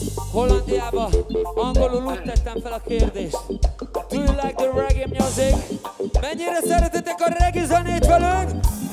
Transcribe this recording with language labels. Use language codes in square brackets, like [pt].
[hu] Hollandiába angolul úgy tettem fel a kérdést. [en] Do you like the reggae music? [hu] Mennyire szeretitek a reggae zenét velünk?